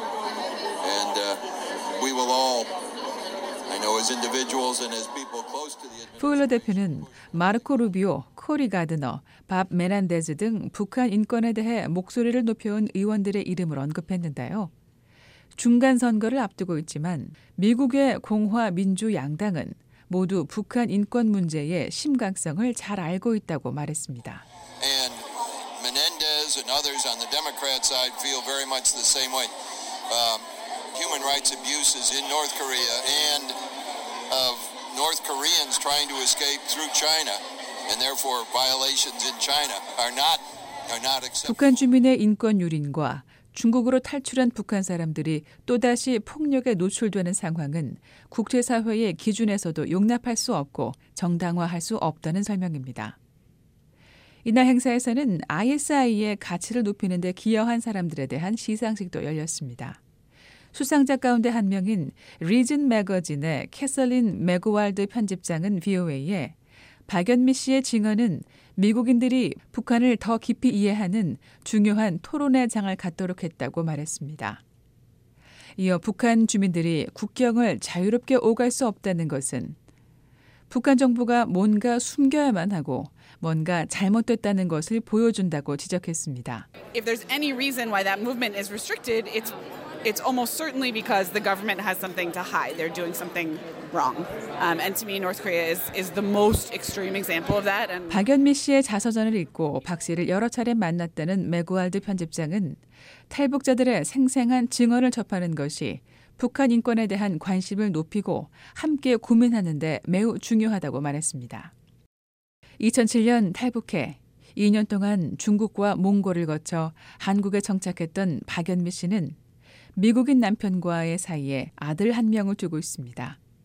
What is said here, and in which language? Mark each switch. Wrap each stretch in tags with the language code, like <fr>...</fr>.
<en>And we will all, I know as individuals and as people close to the administration.</en> <ko>푸일러 대표는 마르코 루비오, 코리 가드너, 밥 메난데즈 등 북한 인권에 대해 목소리를 높여온 의원들의 이름을 언급했는데요. 중간 선거를 앞두고 있지만 미국의 공화 민주 양당은 모두 북한 인권 문제의 심각성을 잘 알고 있다고 말했습니다.</ko> <en>And Menendez and others on the Democrat side feel very much the same way. Human rights abuses in North Korea and of North Koreans trying to escape through China and therefore violations in China are not acceptable.</en> <ko>북한 주민의 인권 유린과 중국으로 탈출한 북한 사람들이 또다시 폭력에 노출되는 상황은 국제사회의 기준에서도 용납할 수 없고 정당화할 수 없다는 설명입니다. 이날 행사에서는 ISI의 가치를 높이는 데 기여한 사람들에 대한 시상식도 열렸습니다. 수상자 가운데 한 명인 리즌 매거진의 캐서린 맥오왈드 편집장은 VOA에 박연미 씨의 증언은 미국인들이 북한을 더 깊이 이해하는 중요한 토론의 장을 갖도록 했다고 말했습니다. 이어 북한 주민들이 국경을 자유롭게 오갈 수 없다는 것은 북한 정부가 뭔가 숨겨야만 하고 뭔가 잘못됐다는 것을 보여준다고 지적했습니다.</ko> <en>If there's any reason why that movement is restricted, it's almost certainly because the government has something to hide. They're doing something wrong. And to me, North Korea is the most extreme example of that. And</en> <ko>박연미 씨의 자서전을 읽고 박 씨를 여러 차례 만났다는 맥오왈드 편집장은 탈북자들의 생생한 증언을 접하는 것이 북한 인권에 대한 관심을 높이고 함께 고민하는 데 매우 중요하다고 말했습니다. 2007년 탈북해 2년 동안 중국과 몽골을 거쳐 한국에 정착했던 박연미 씨는 미국인 남편과의 사이에 아들 한 명을 두고 있습니다.</ko>